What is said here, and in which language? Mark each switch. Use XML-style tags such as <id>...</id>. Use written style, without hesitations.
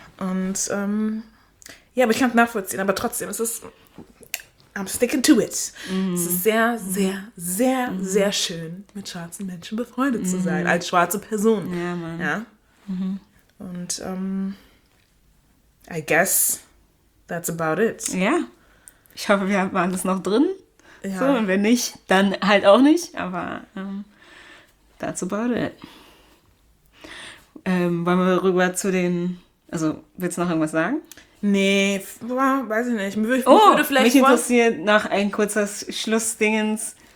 <de>Und ja, aber ich kann es nachvollziehen, aber trotzdem, es ist,</de> <en>I'm sticking to it.</en> <de>Mhm. Es ist sehr, sehr, sehr, sehr schön, mit schwarzen Menschen befreundet zu sein, als schwarze Person. Ja, Mann. Ja? Mhm.</de> <en>Und I guess that's about it.</en> <de>Ja. Ich hoffe, wir waren das noch drin. Ja. So, und wenn nicht, dann halt auch nicht. Aber</de> <en>that's about it.</en> <de>Wollen wir rüber zu den... Also, willst du noch irgendwas sagen? Nee, weiß ich nicht. Würde vielleicht mich interessiert noch ein kurzes Schlussdingens.</de>